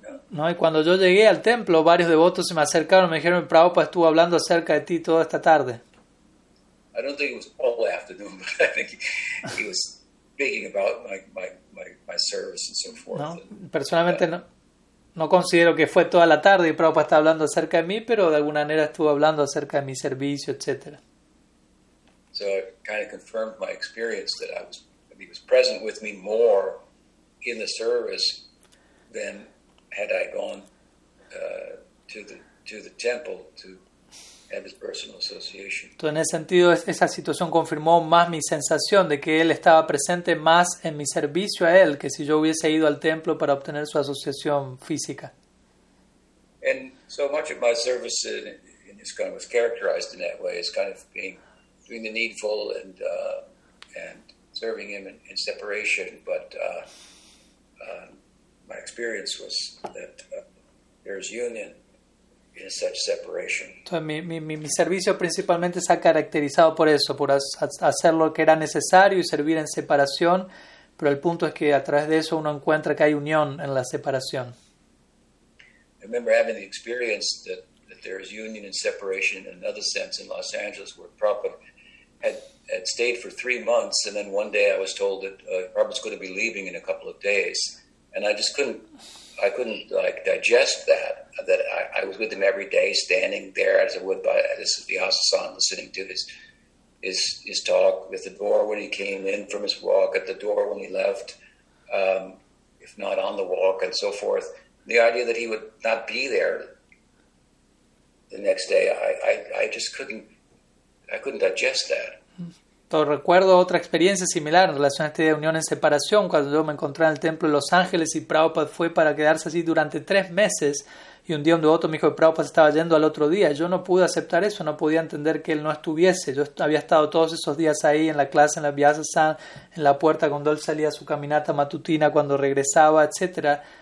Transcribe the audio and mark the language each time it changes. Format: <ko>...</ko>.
<es>No, y cuando yo llegué al templo, varios devotos se me acercaron y me dijeron, Prabhupada estuvo hablando acerca de ti toda esta tarde.</es> <en>I don't think it was all afternoon, but I think he was speaking about my service and so forth.</en> <es>No, personalmente no considero que fue toda la tarde y Prabhupada estaba hablando acerca de mí, pero de alguna manera estuvo hablando acerca de mi servicio, etc.</es> <en>So it kind of confirmed my experience that he was present with me more in the service than had I gone to the temple to have his personal association.</en> <es>Entonces, en ese sentido, esa situación confirmó más mi sensación de que él estaba presente más en mi servicio a él que si yo hubiese ido al templo para obtener su asociación física.</es> <en>And so much of my service in this kind of was characterized in that way, as kind of doing the needful and serving him in separation. But my experience was that there's union in such separation.</en> <es>Entonces, mi servicio principalmente está caracterizado por eso, por hacer lo que era necesario y servir en separación, pero el punto es que a través de eso uno encuentra que hay unión en la separación.</es> <en>I remember having the experience that there is union and separation in another sense in Los Angeles, where Prabhupada had stayed for 3 months, and then one day I was told that Prabhupada's going to be leaving in a couple of days, and I just couldn't like digest that I was with him every day, standing there as I would by this Vyasasana, listening to his talk with the door when he came in from his walk, at the door when he left, if not on the walk, and so forth. The idea that he would not be there the next day, I just couldn't digest that.</en> <es>Entonces, recuerdo otra experiencia similar en relación a esta idea de unión en separación, cuando yo me encontré en el templo de Los Ángeles y Prabhupada fue para quedarse así durante 3 meses, y un día un devoto me dijo que Prabhupada estaba yendo al otro día. Yo no pude aceptar eso, no podía entender que él no estuviese. Yo había estado todos esos días ahí en la clase, en la Vyasasana, en la puerta cuando él salía a su caminata matutina, cuando regresaba, etc.</es>